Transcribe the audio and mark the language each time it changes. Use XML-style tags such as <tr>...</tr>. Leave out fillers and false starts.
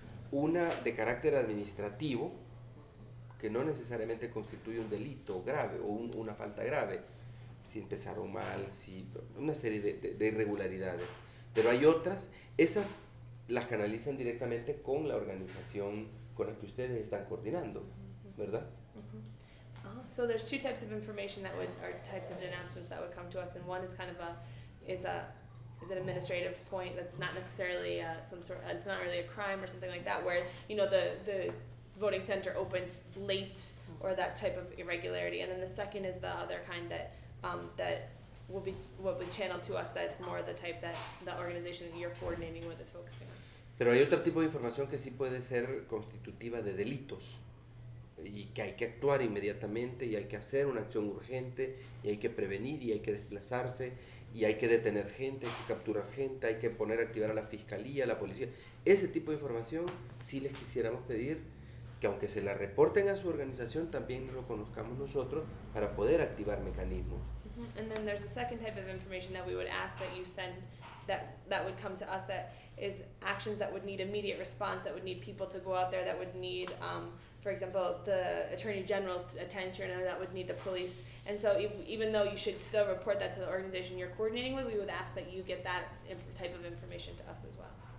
<es>Una de carácter administrativo, que no necesariamente constituye un delito grave o una falta grave, si empezaron mal, si una serie de irregularidades. Pero hay otras, esas las canalizan directamente con la organización con la que ustedes están coordinando, ¿verdad?</es> <en>So there's two types of information that would, or types of denouncements that would come to us, and one is kind of an administrative point that's not necessarily it's not really a crime or something like that, where, you know, the voting center opened late or that type of irregularity. And then the second is the other kind that will be channeled to us, that's more the type that the organization that you're coordinating with is focusing on.</en> <es>Pero hay otro tipo de información que sí puede ser constitutiva de delitos, y que hay que actuar inmediatamente, y hay que hacer una acción urgente, y hay que prevenir, y hay que desplazarse, y hay que detener gente, hay que capturar gente, hay que poner a activar a la fiscalía, a la policía. Ese tipo de información sí les quisiéramos pedir que, aunque se la reporten a su organización, también lo conozcamos nosotros para poder activar mecanismos.</es> <en>And then there's a second type of information that we would ask that you send, that would come to us, that is actions that would need immediate response, that would need people to go out there, that would need for example, the attorney general's attention, and that would need the police. And so even though you should still report that to the organization you're coordinating with, we would ask that you get that type of information to us as well.</en>